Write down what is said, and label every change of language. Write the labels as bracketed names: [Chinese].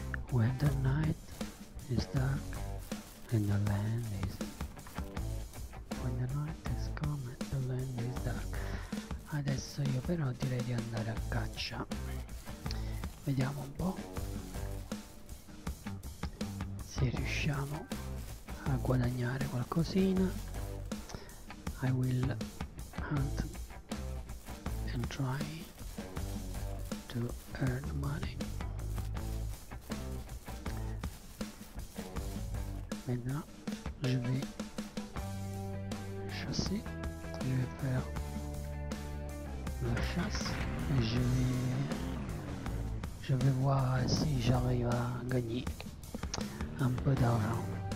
[English] When the night is dark and the land is when the night is come and the land is dark. [Italian] Adesso io però direi di andare a caccia. Vediamo un po' se riusciamo a guadagnare qualcosina. [English] I will hunt and try to earn money. [French] Maintenant, je vais chasser, je vais faire la chasse et je vais voir si j'arrive à gagner un peu d'argent.